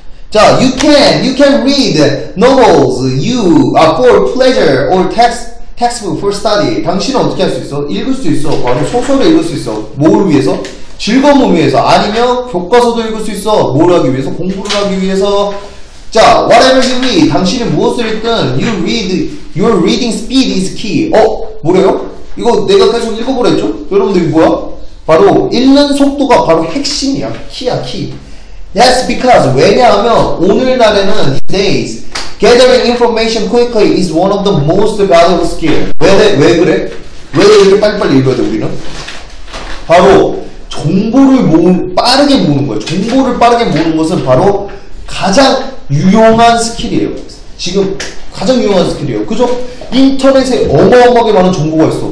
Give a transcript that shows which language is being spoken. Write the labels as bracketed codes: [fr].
[en] 자, you can read novels, you, for pleasure or textbook for study. [ko] 당신은 어떻게 할 수 있어? 읽을 수 있어. 바로 소설을 읽을 수 있어. 뭘 위해서? 즐거움을 위해서. 아니면 교과서도 읽을 수 있어. 뭘 하기 위해서? 공부를 하기 위해서. [en] 자, whatever you read, [ko] 당신이 무엇을 읽든, [en] you read, your reading speed is key. [ko] 어? 뭐래요? 이거 내가 계속 읽어보라 했죠? 여러분들 이거 뭐야? 바로 읽는 속도가 바로 핵심이야. 키야, 키. [en] That's because, [ko] 왜냐하면 오늘날에는 [en] days, gathering information quickly is one of the most valuable skills. [ko] 왜 그래? 왜 이렇게 빨리빨리 읽어야 돼, 우리는? 바로 정보를 빠르게 모으는 거야. 정보를 빠르게 모으는 것은 바로 가장 유용한 스킬이에요. 지금 가장 유용한 스킬이에요. 그죠? 인터넷에 어마어마하게 많은 정보가 있어.